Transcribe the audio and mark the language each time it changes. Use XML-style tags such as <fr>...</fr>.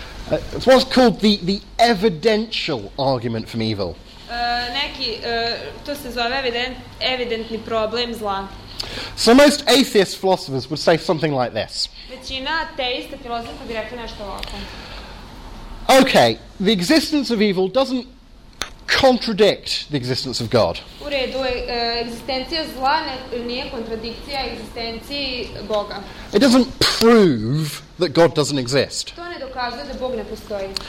<en>It's what's called the evidential argument from evil.</en> <sr>To se zove evidentni problem zla.</sr> <en>So most atheist philosophers would say something like this.</en> <sr>Većina ateista filozofa bi rekla nešto ovako.</sr> <en>Okay, the existence of evil doesn't contradict the existence of God.</en> <sr>U redu, egzistencija zla nije kontradikcija egzistenciji Boga.</sr> <en>It doesn't prove that God doesn't exist.</en> <sr>To ne dokazuje da Bog ne postoji.</sr>